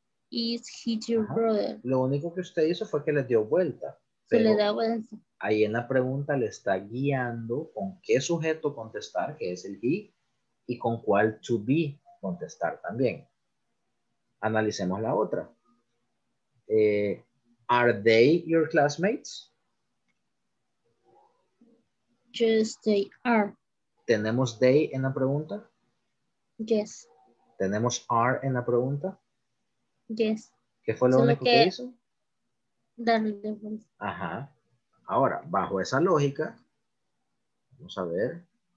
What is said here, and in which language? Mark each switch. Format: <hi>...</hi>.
<en>Is he your brother?</en> <es>Lo único que usted hizo fue que le dio vuelta. Se le da vuelta. Ahí en la pregunta le está guiando con qué sujeto contestar, que es el he, y con cuál to be contestar también. Analicemos la otra.</es> <en>Are they your classmates? Yes, they are.</en> <es>¿Tenemos they en la pregunta?</es> <en>Yes.</en> <es>¿Tenemos are en la pregunta?</es> <en>Yes.</en> <es>¿Qué fue lo único que hizo? Darle vuelta. Ajá. Ahora, bajo esa lógica, vamos a ver.</es>